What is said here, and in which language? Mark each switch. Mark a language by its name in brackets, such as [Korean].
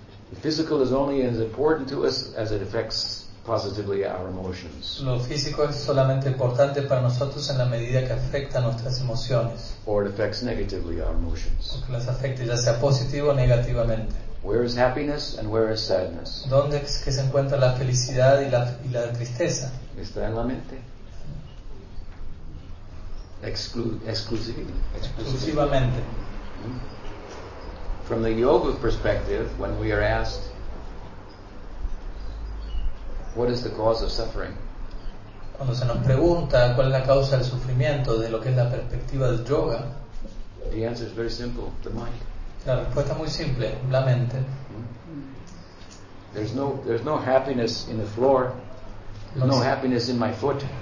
[English] The physical is only as important to us as it affects positively our emotions. [Spanish] Lo físico es solamente importante para nosotros en la medida que afecta nuestras emociones. [English] Or it affects negatively our emotions. [Spanish] O que las afecte, ya sea positivo o negativamente. [English] Where is happiness and where is sadness? [Spanish] ¿Dónde es que se encuentra la felicidad y la tristeza? Está en la mente. Exclusivamente. [English] From the yoga perspective, when we are asked, what is the cause of suffering? [Spanish] Cuando se nos pregunta cuál es la causa del sufrimiento, de lo que es la perspectiva del yoga, [English] the answer is very simple, the mind. [Spanish] La respuesta es muy simple, la mente. [English] There's no happiness in the floor. There's no happiness in my foot.